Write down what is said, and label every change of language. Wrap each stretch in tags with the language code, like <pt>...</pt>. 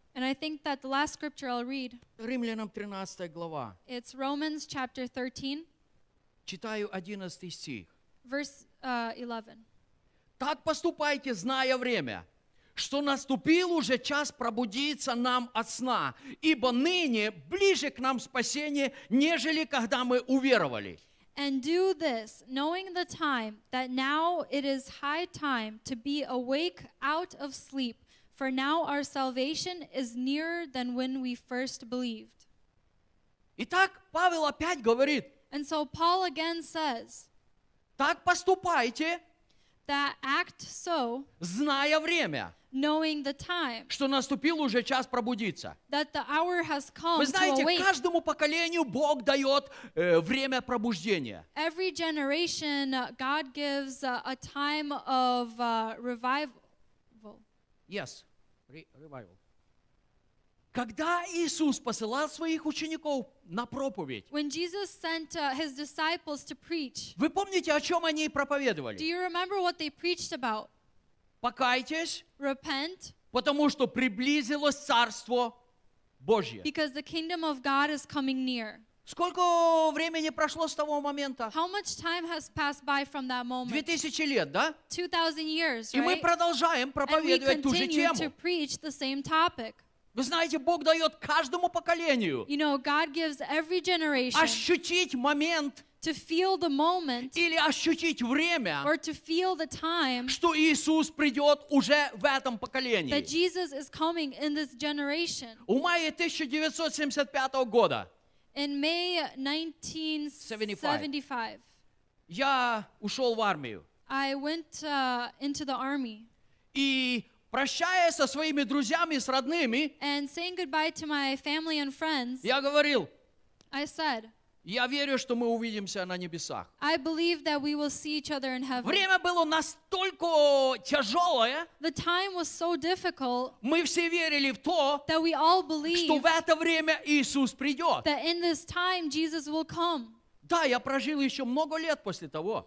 <en>And I think that the last scripture I'll read.</en> <ru>Римлянам 13 глава.</ru> <en>It's Romans chapter 13.</en> <ru>Читаю 11 стих.</ru> <en>Verse 11.</en> <ru>Так поступайте, зная время, что наступил уже час пробудиться нам от сна, ибо ныне ближе к нам спасение, нежели когда мы уверовали.</ru> <en>And do this, knowing the time, that now it is high time to be awake out of sleep, for now our salvation is nearer than when we first believed.</en> <ru>Итак, Павел опять говорит.</ru> <en>And so Paul again says,</en> <ru>так поступайте,</ru> <en>that act so,</en> <ru>зная время,</ru> <en>knowing the time,</en> <ru>что наступил уже час пробудиться.</ru> <en>That the hour has come.</en> <ru>Вы знаете,</ru> <en>to awake.</en> <ru>Каждому поколению Бог дает время пробуждения.</ru> <en>Every generation God gives a time of revival. Yes, revival.</en> <ru>Когда Иисус посылал своих учеников на проповедь,</ru> <en>when Jesus sent his disciples to preach,</en> <ru>вы помните, о чем они проповедовали?</ru> <en>Do you remember what they preached about?</en> <ru>Покайтесь,</ru> <en>repent,</en> <ru>потому что приблизилось Царство Божье.</ru> <en>Because the kingdom of God is coming near.</en> <ru>Сколько времени прошло с того момента?</ru> <en>How much time has passed by from that moment?</en> <ru>2000 лет, да?</ru> <en>2000 years, right?</en> <ru>И мы продолжаем проповедовать ту же тему.</ru> <en>And we continue to preach the same topic.</en> <ru>Вы знаете, Бог дает каждому поколению,</ru> <en>you know, God gives every generation,</en> <ru>ощутить момент,</ru> <en>to feel the moment,</en> <ru>или ощутить время,</ru> <en>or to feel the time,</en> <ru>что Иисус придет уже в этом поколении,</ru> <en>that Jesus is coming in this generation.</en> <ru>У мая 1975 года,</ru> <en>in May 1975,</en> <ru>я ушел в армию.</ru> <en>I went into the army.</en> <ru>И прощаясь со своими друзьями, с родными,</ru> <en>and saying goodbye to my family and friends,</en> <ru>я говорил,</ru> <en>I said,</en> <ru>я верю, что мы увидимся на небесах.</ru> <en>I believe that we will see each other in heaven.</en> <ru>Время было настолько тяжелое,</ru> <en>the time was so difficult,</en> <ru>мы все верили в то,</ru> <en>that we all believed,</en> <ru>что в это время Иисус придет.</ru> <en>That in this time Jesus will come.</en> <ru>Да, я прожил еще много лет после того.</ru>